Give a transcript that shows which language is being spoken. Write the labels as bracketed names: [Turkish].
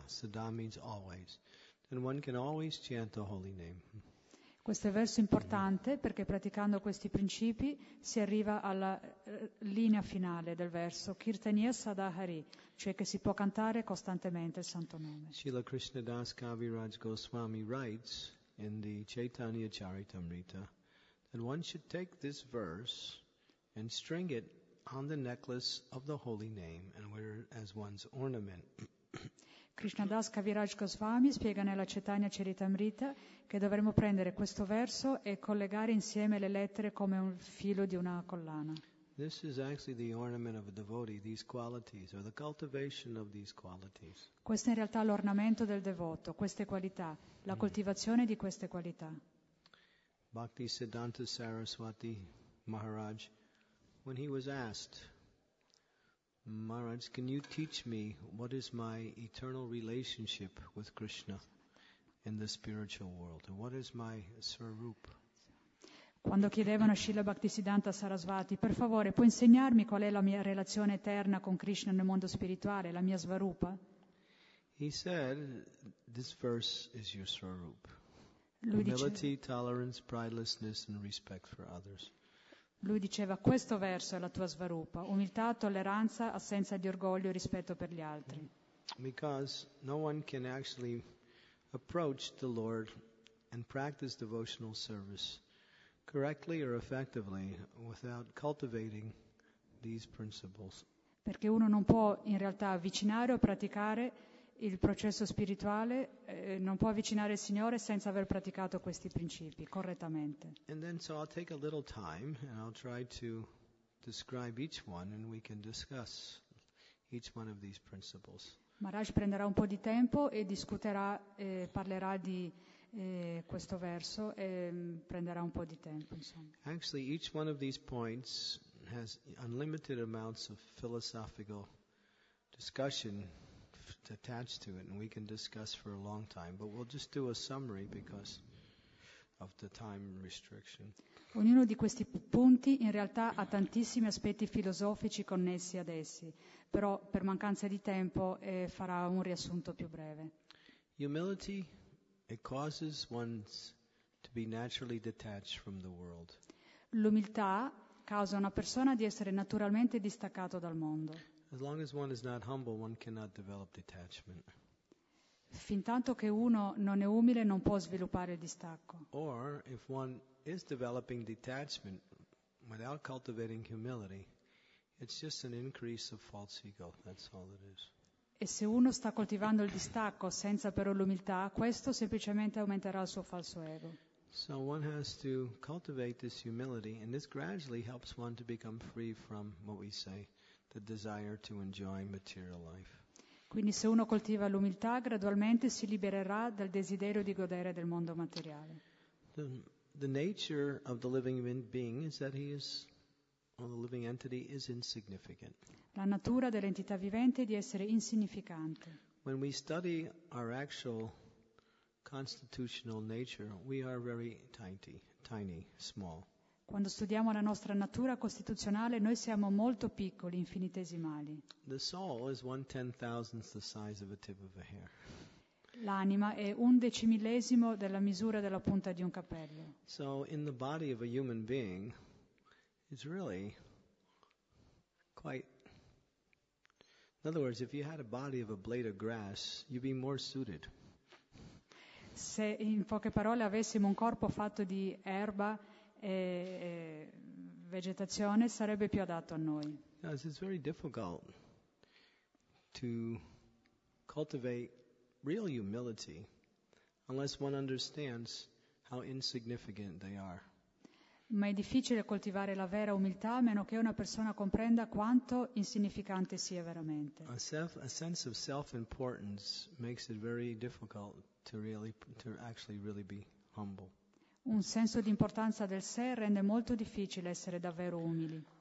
[English] Sada means always. And one can always chant the holy name. [Italian] Questo è verso importante perché praticando questi principi si arriva alla linea finale del verso Kirtaniya Sada Hari, cioè che si può cantare costantemente il santo nome. [English] Srila Krishna Das Kaviraj Goswami writes in the Chaitanya Charitamrita that one should take this verse and string it on the necklace of the holy name and wear it as one's ornament. [Italian] Krishna Das Kaviraj Goswami spiega nella Chaitanya Charitamrita che dovremmo prendere questo verso e collegare insieme le lettere come un filo di una collana. [English] This is actually the ornament of a devotee, these qualities, or the cultivation of these qualities. [Italian] Questo è in realtà l'ornamento del devoto, queste qualità, la coltivazione di queste qualità. [English] Bhakti Siddhanta Saraswati Maharaj, when he was asked, Maharaj, can you teach me what is my eternal relationship with Krishna in the spiritual world? And what is my swarup? [Italian] Quando chiedevano a Srila Bhaktisiddhanta Sarasvati, per favore, puoi insegnarmi qual è la mia relazione eterna con Krishna nel mondo spirituale, la mia swarupa? [English] He said, this verse is your swarup. Humility, tolerance, pridelessness and respect for others. [Italian] Lui diceva, questo verso è la tua svarupa, umiltà, tolleranza, assenza di orgoglio e rispetto per gli altri. [English] Because no one can actually approach the Lord and practice devotional service correctly or effectively without cultivating these principles. [Italian] Perché uno non può in realtà avvicinare o praticare il processo spirituale, non può avvicinare il Signore senza aver praticato questi principi correttamente. [English] And then so I'll take a little time and I'll try to describe each one and we can discuss each one of these principles. [Italian] Maharaj prenderà un po' di tempo e discuterà, parlerà di questo verso e prenderà un po' di tempo, insomma. [English] Actually, each one of these points has unlimited amounts of philosophical discussion attached to it, and we can discuss for a long time, but we'll just do a summary because of the time restriction. [Italian] Ognuno di questi punti in realtà ha tantissimi aspetti filosofici connessi ad essi, però per mancanza di tempo farà un riassunto più breve. [English] Humility, it causes one to be naturally detached from the world. [Italian] L'umiltà causa una persona di essere naturalmente distaccato dal mondo. [English] As long as one is not humble, one cannot develop detachment. [Italian] Fin tanto che uno non è umile, non può sviluppare il distacco. [English] Or, if one is developing detachment without cultivating humility, it's just an increase of false ego. That's all it is. [Italian] E se uno sta coltivando il distacco senza però l'umiltà, questo semplicemente aumenterà il suo falso ego. [English] So one has to cultivate this humility, and this gradually helps one to become free from what we say, the desire to enjoy material life. [Italian] Quindi se uno coltiva l'umiltà, gradualmente si libererà dal desiderio di godere del mondo materiale. [English] The nature of the living being is that he is, or the living entity is insignificant. [Italian] La natura dell'entità vivente è di essere insignificante. [English] When we study our actual constitutional nature, we are very tiny, small. [Italian] Quando studiamo la nostra natura costituzionale, noi siamo molto piccoli, infinitesimali. [English] The soul is 1/10,000th the size of a tip of a hair. [Italian] L'anima è un decimillesimo della misura della punta di un capello. [English] So in the body of a human being, it's really quite. In other words, if you had a body of a blade of grass, you'd be more suited. [Italian] Se in poche parole avessimo un corpo fatto di erba e vegetazione, sarebbe più adatto a noi. [English] Yes, it's very difficult to cultivate real humility unless one understands how insignificant they are. [Italian] Ma è difficile coltivare la vera umiltà a meno che una persona comprenda quanto insignificante sia veramente. [English] A sense of self-importance makes it very difficult to actually be humble. [Italian] Un senso di importanza del sé rende molto difficile essere davvero umili.